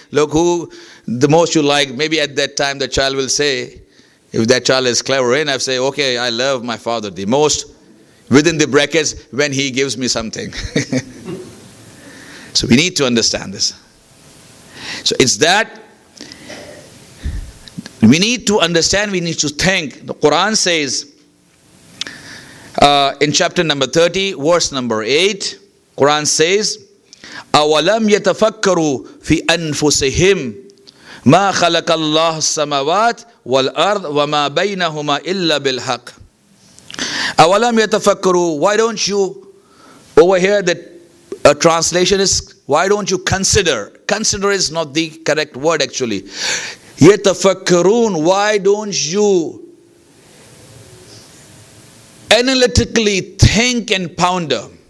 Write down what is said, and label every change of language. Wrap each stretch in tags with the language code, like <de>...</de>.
<en>Look who the most you like. Maybe at that time the child will say, if that child is clever enough, say, okay, I love my father the most, within the brackets, when he gives me something. So we need to understand this. So it's that we need to understand, we need to think. The Quran says in chapter number 30, verse number 8, Quran says,</en> <ar>أَوَلَمْ يَتَفَكَّرُوا فِي أَنفُسِهِمْ مَا خَلَقَ اللَّهُ السَّمَوَاتِ والارض وما بينهما الا بالحق. اولم يتفكروا,</ar> <en>why don't you over here, that a translation is, why don't you consider is not the correct word actually. يتفكرون, why don't you analytically think and ponder.</en>